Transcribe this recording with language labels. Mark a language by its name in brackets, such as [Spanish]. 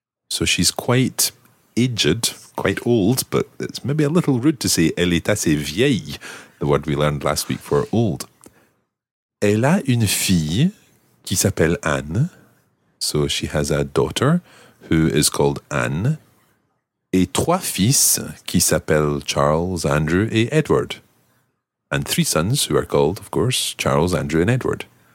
[English] So, she's quite aged, quite old, but it's maybe a little rude to say, [French] elle est assez vieille, [English] the word we learned last week for old. [French] Elle a une fille qui s'appelle Anne. [English] So she has a daughter who is called Anne. [French] Et 3 fils qui s'appellent Charles, Andrew et Edward. [English] And 3 sons who are called, of course, Charles, Andrew and Edward.